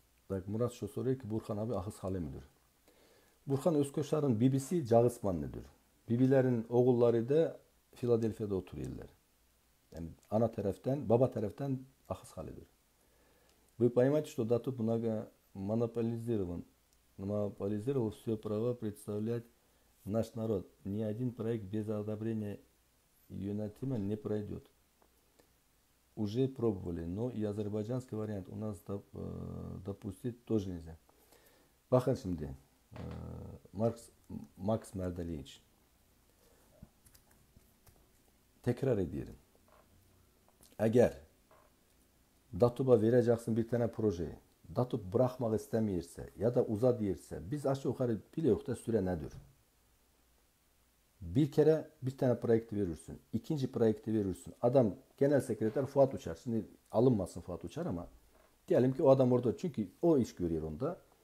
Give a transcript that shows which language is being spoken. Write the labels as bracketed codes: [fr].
[tr] Bak Murat şu soruyor ki Burhan abi ahıs hali midir? Burhan Özkoçar'ın bibisi Cağısmanlı'dır. Bibilerin oğulları da Philadelphia'da oturuyorlar. Yani ana taraftan, baba taraftan ahıs halidir. [ru] Вы понимаете, что Датуб многомонополизирован. Монополизировал все права представлять наш народ. Ни один проект без одобрения Юнатима не пройдет. Уже пробовали, но и азербайджанский вариант у нас допустить тоже нельзя. [tr] Бахан шимди, Макс Мердалевич, tekrar ediyorum. Eğer DATOB'a vereceksin bir tane projeyi, DATOB bırakmak istemeyirse ya da uza diyirse, biz aşağı yukarı bile yok da süre nedir? Bir kere bir tane proyekti verirsin, ikinci proyekti verirsin. Adam genel sekreter Fuat Uçar. Şimdi alınmasın Fuat Uçar ama diyelim ki o adam orada çünkü o iş görüyor onda.